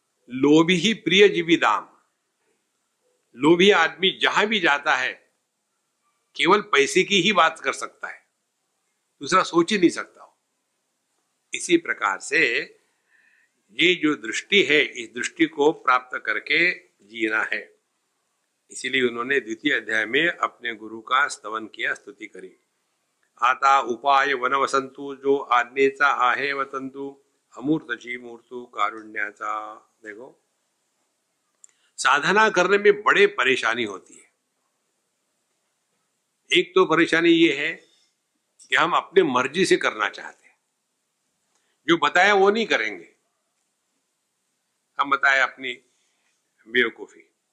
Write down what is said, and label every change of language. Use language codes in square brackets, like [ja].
[hi] लोभी ही प्रिय जीवी दाम। लोभी आदमी जहां भी जाता है केवल पैसे की ही बात कर सकता है, दूसरा सोच ही नहीं सकता। इसी प्रकार से ये जो दृष्टि है, इस दृष्टि को प्राप्त करके जीना है। इसीलिए उन्होंने द्वितीय अध्याय में अपने गुरु का स्तवन किया, स्तुति करी। [mr] आता उपाय वनवसंतु जो आज्ञेचा आहे वतंतु अमूर्तची मूर्तु कारुण्याचा। [hi] देखो साधना करने में बड़े परेशानी होती है। एक तो परेशानी ये है कि हम अपने मर्जी से करना चाहते हैं, जो बताया वो नहीं करेंगे, हम बताए अपनी बेवकूफी।